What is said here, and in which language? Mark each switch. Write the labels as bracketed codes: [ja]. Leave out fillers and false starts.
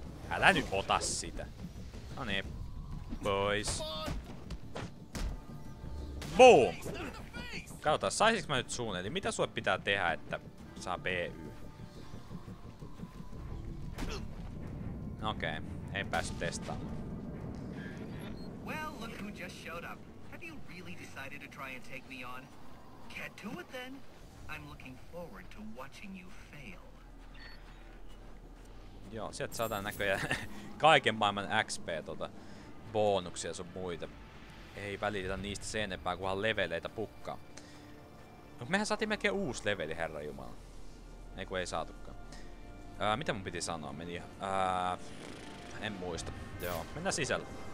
[fi] Älä nyt ota sitä. No niin, pois. Boom! Katsotaan, saisinko mä nyt suun? Eli mitä sulle pitää tehdä, että saa BY? Okei, ei päässyt testaamaan. [en] Well, look who just showed up. Have you really decided to try and take me on? Get to it then. I'm looking forward to watching you fail. [fi] Joo, sieltä saadaan näköjään kaiken maailman XP bonuksia sun muita. Ei välitä niistä sen enempää, kunhan leveleitä pukkaa. No mehän saatiin melkein uusi leveli, herranjumala. Ei kun ei saatukaan. Mitä mun piti sanoa? Meni en muista. Joo, mennään sisälle.